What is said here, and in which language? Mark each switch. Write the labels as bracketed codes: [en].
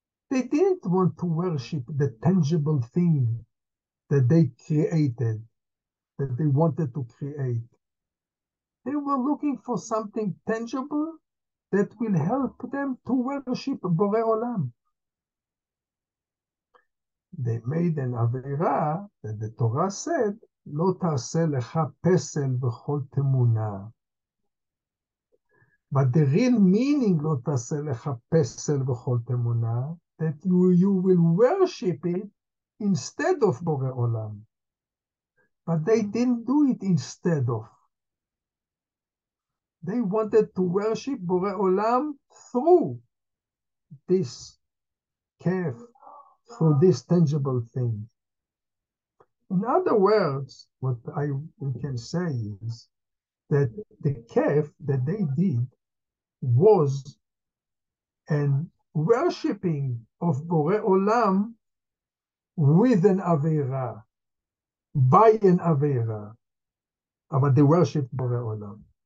[en] They didn't want to worship the tangible thing that they created, that they wanted to create. They were looking for something tangible that will help them to worship Bore Olam. They made an avera that the Torah said, [he] לא תעשה לך פסל בכל תמונה. [en] But the real meaning, [he] לא תעשה לך פסל בכל תמונה, [en] that you will worship it instead of [he] בורא עולם. [en] But they didn't do it instead of. They wanted to worship בורא עולם through this calf, through this tangible thing. In other words, what we can say is that the calf that they did was a worshipping of Borei Olam with an Avera, by an Avera, but they worshipped Borei Olam.